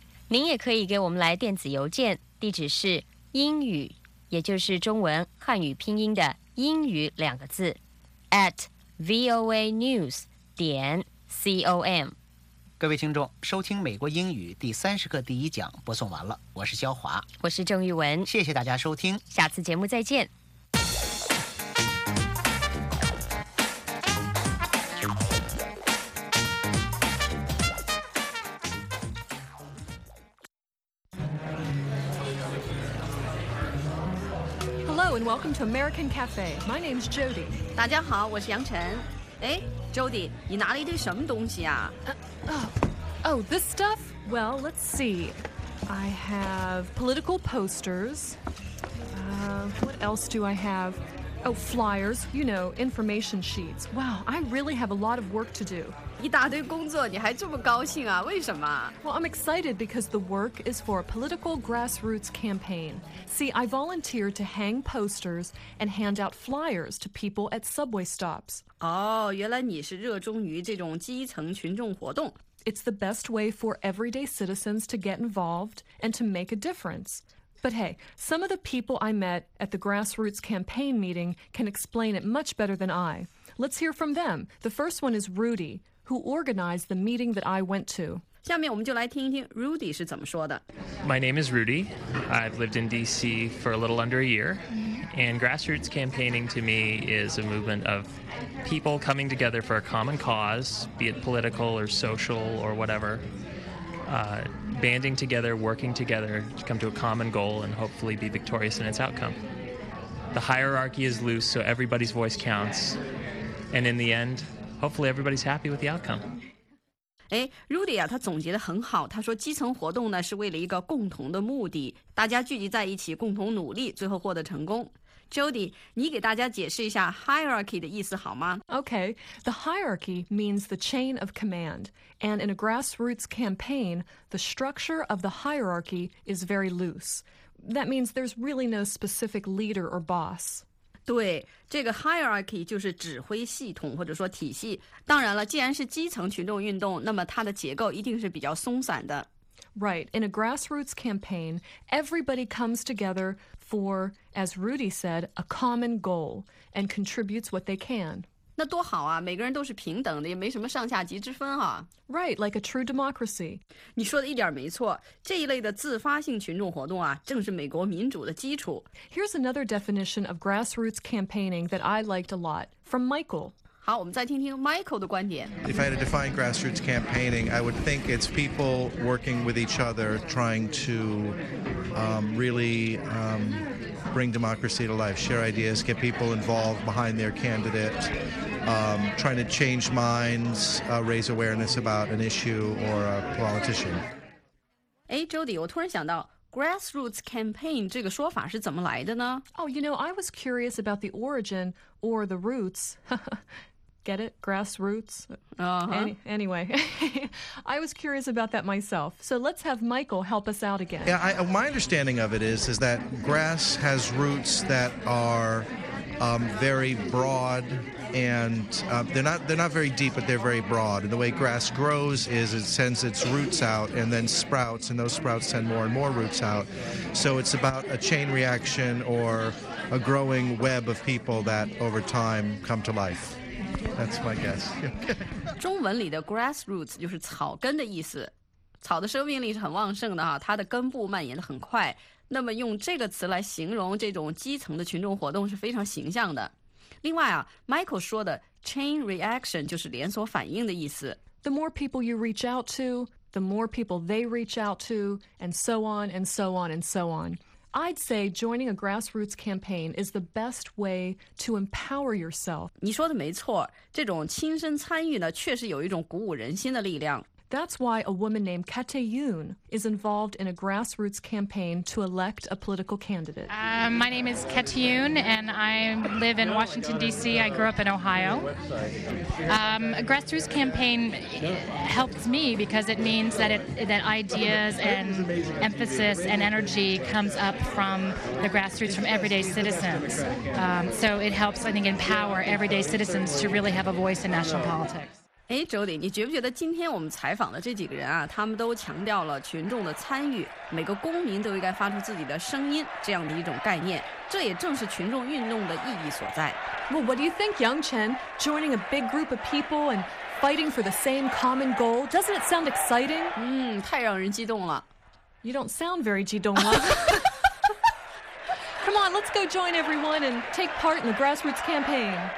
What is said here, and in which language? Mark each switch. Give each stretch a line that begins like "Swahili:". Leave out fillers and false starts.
Chinese: 您也可以给我们来电子邮件，地址是英语，也就是中文汉语拼音的英语两个字 @voanews.com。各位听众，收听美国英语第30课第一讲播送完了，我是肖华，我是郑玉文，谢谢大家收听，下次节目再见。
English: Hello and welcome to American Cafe. My name's Jody.
Chinese: 大家好，我是杨晨。哎 ，Jody， 你拿了一堆什么东西啊
English: ？Oh, this stuff. Well, let's see. I have political posters. What else do I have? Oh, flyers. You know, information sheets. Wow, I really have a lot of work to do.
Chinese: 一大堆工作，你还这么高兴啊？为什么
English: ？Well, I'm excited because the work is for a political grassroots campaign. See, I volunteered to hang posters and hand out flyers to people at subway stops.
Chinese: 哦，原来你是热衷于这种基层群众活动。
English: It's the best way for everyday citizens to get involved and to make a difference. But hey, some of the people I met at the grassroots campaign meeting can explain it much better than I. Let's hear from them. The first one is Rudy, who organized the meeting that I went to.
Chinese: 下面我们就来听一听 Rudy 是怎么说的。
English: My name is Rudy. I've lived in D.C. for a little under a year. And grassroots campaigning to me is a movement of people coming together for a common cause, be it political or social or whatever, banding together, working together to come to a common goal and hopefully be victorious in its outcome. The hierarchy is loose, so everybody's voice counts. And in the end, hopefully everybody's happy with the outcome.
Chinese: 哎 ，Rudy 啊，他总结得很好。他说，基层活动呢是为了一个共同的目的，大家聚集在一起，共同努力，最后获得成功。 Jody， 你给大家解释一下 hierarchy 的意思好吗
English: ？Okay, the hierarchy means the chain of command, and in a grassroots campaign, the structure of the hierarchy is very loose. That means there's really no specific leader or boss.
Chinese: 对，这个 hierarchy 就是指挥系统或者说体系。当然了，既然是基层群众运动，那么它的结构一定是比较松散的。
English: Right, in a grassroots campaign, everybody comes together for, as Rudy said, a common goal and contributes what they can.
Chinese: 那多好啊，每个人都是平等的，也没什么上下级之分啊。
English: Right, like a true democracy.
Chinese: 你说的一点没错，这一类的自发性群众活动啊，正是美国民主的基础。
English: Here's another definition of grassroots campaigning that I liked a lot, from Michael.
Chinese: 好，我们再听听 Michael 的观点。
English: If I had to define grassroots campaigning, I would think it's people working with each other, trying to bring democracy to life, share ideas, get people involved behind their candidate, trying to change minds, raise awareness about an issue or a politician. Hey,
Chinese: Jody, 我突然想到 grassroots campaign 这个说法是怎么来的呢
English: ？Oh, you know, I was curious about the origin or the roots. Get it? Grassroots? Anyway, I was curious about that myself. So let's have Michael help us out again. Yeah, my understanding of it is that grass has roots that are very broad and they're not very deep, but they're very broad. And the way grass grows is it sends its roots out and then sprouts, and those sprouts send more and more roots out. So it's about a chain reaction or a growing web of people that over time come to life. That's my guess.
Chinese: 中文里的 grassroots 就是草根的意思，草的生命力是很旺盛的哈，它的根部蔓延的很快。那么用这个词来形容这种基层的群众活动是非常形象的。另外啊 ，Michael 说的 chain reaction 就是连锁反应的意思。
English: The more people you reach out to, the more people they reach out to, and so on and so on and so on. I'd say joining a grassroots campaign is the best way to empower yourself.
Chinese: 你说的没错，这种亲身参与呢，确实有一种鼓舞人心的力量。
English: That's why a woman named Kate Yoon is involved in a grassroots campaign to elect a political candidate. My name is Kate Yoon, and I live in Washington, D.C. I grew up in Ohio. A grassroots campaign helps me because it means that, that ideas and emphasis and energy comes up from the grassroots, from everyday citizens. So it helps, I think, empower everyday citizens to really have a voice in national politics.
Chinese: 哎 ，Jody， 你觉不觉得今天我们采访的这几个人啊，他们都强调了群众的参与，每个公民都应该发出自己的声音这样的一种概念，这也正是群众运动的意义所在。
English: Well, what do you think, Yang Chen? Joining a big group of people and fighting for the same common goal, doesn't it sound exciting?
Chinese: 嗯，太让人激动了。
English: You don't sound very
Chinese: 激动了。
English: Come on, let's go join everyone and take part in the grassroots campaign.